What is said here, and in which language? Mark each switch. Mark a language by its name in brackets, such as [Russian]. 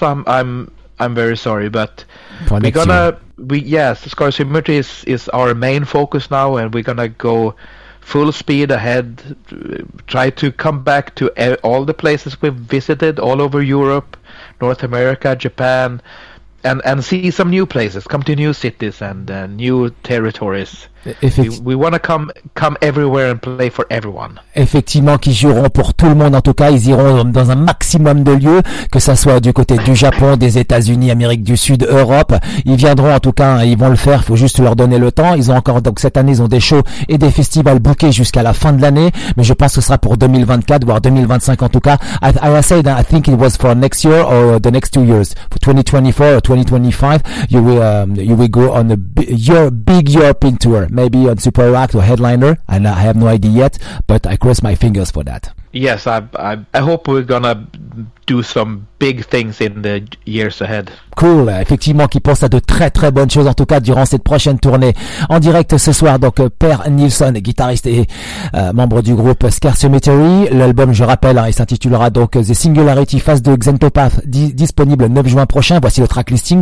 [English] I'm very sorry, but Scar Symmetry is our main focus now, and we're gonna go full speed ahead, try to come back to all the places we've visited all over Europe, North America, Japan, and see some new places, come to new cities and new territories. We want to come everywhere and play for everyone. [French] Effectivement, qu'ils joueront pour tout le monde. En tout cas, ils iront dans un maximum de lieux, que ça soit du côté du Japon, des États-Unis, Amérique du Sud, Europe. Ils viendront en tout cas. Ils vont le faire. Il faut juste leur donner le temps. Ils ont encore donc cette année, ils ont des shows et des festivals bookés jusqu'à la fin de l'année. Mais je pense que ce sera pour 2024, voire 2025 en tout cas. [English] I think it was for next year or the next 2 years, for 2024 or 2025. You will go on a big European tour. Maybe on Super Act or Headliner, and I have no idea yet, but I cross my fingers for that. Yes, I hope we're gonna do some big things in the years ahead. [French] Cool, effectivement, qui pense à de très très bonnes choses, en tout cas durant cette prochaine tournée. En direct ce soir, donc Per Nilsson, guitariste et membre du groupe Scar Symmetry. L'album, je rappelle, il s'intitulera donc The Singularity Phase 2 Xenopath, disponible le 9 juin prochain. Voici le track listing.